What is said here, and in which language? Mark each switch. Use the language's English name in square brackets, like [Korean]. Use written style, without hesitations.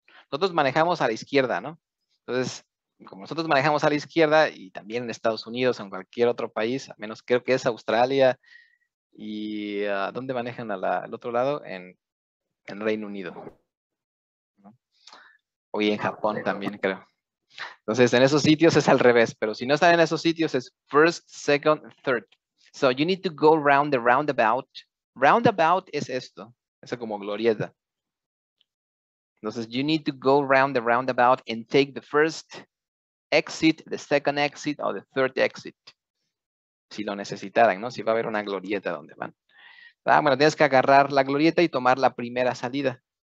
[Spanish] Nosotros manejamos a la izquierda, ¿no? Entonces, como nosotros manejamos a la izquierda y también en Estados Unidos o en cualquier otro país, a menos creo que es Australia y ¿dónde manejan al otro lado? En Reino Unido, ¿no? O y en Japón también, creo. Entonces, en esos sitios es al revés, pero si no están en esos sitios es [English] first, second, third. So you need to go round the roundabout. Roundabout [Spanish] es esto, es como glorieta. [English] Entonces, you need to go round the roundabout and take the first exit, the second exit, or the third exit. [Spanish] Si lo necesitaran, ¿no? Si va a haber una glorieta donde van. Ah, bueno, tienes que agarrar la glorieta y tomar la primera salida.